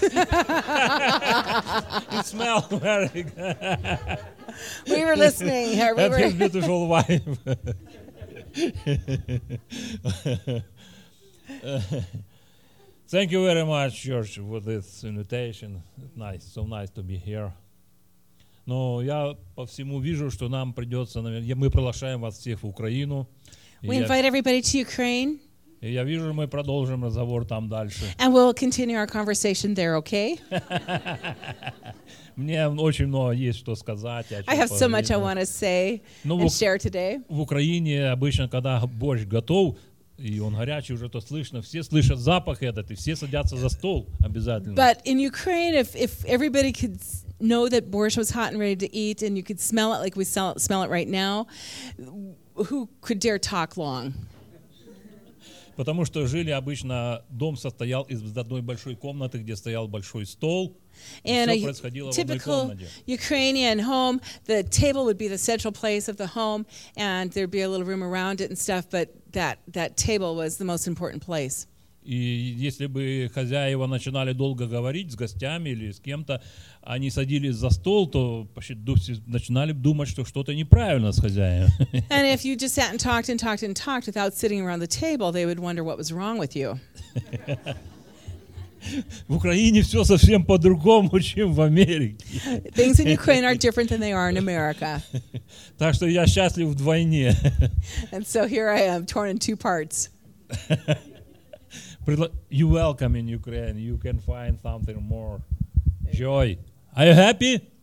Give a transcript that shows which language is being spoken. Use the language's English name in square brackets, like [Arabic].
[English] It smells very good. We were listening. And his beautiful wife. Thank you very much, George, for this invitation. Nice, so nice to be here. [Ukrainian] Ну, [Russian] я по всему вижу, [Ukrainian] що нам придеться, ми приглашаємо вас всіх в Україну. [English] We invite everybody to Ukraine. [Ukrainian] І я вижу, ми продовжимо розговор там далі. [English] And we'll continue our conversation there, okay? [Ukrainian] Мені дуже багато є, що сказати. [English] I have so much I want to say and share today. [Ukrainian] В Україні, обычно, коли борщ готов, і він гарячий, вже то слышно, всі [Russian] слышать запах этот, [Ukrainian] і всі садяться за стол обязательно. [English] But in Ukraine, if everybody could know that borscht was hot and ready to eat, and you could smell it like we smell it right now, who could dare talk long? [Russian] Потому что жили обычно, дом состоял из одной большой комнаты, где стоял большой стол. [English] In a typical Ukrainian home, the table would be the central place of the home, and there'd be a little room around it and stuff, but that table was the most important place. [Russian] И если бы хозяева начинали долго говорить с гостями или с кем-то, они садились за стол, то почти начинали думать, что что-то неправильно с хозяином. [English] And if you just sat and talked and talked and talked without sitting around the table, they would wonder what was wrong with you. [Ukrainian] В Україні все зовсім по-другому, чим в Америці. [English] Things in Ukraine are different than they are in America. [Ukrainian] Так що я щаслив вдвойне. [English] And so here I am, torn in two parts. You welcome in Ukraine. You can find something more joy. Are you happy?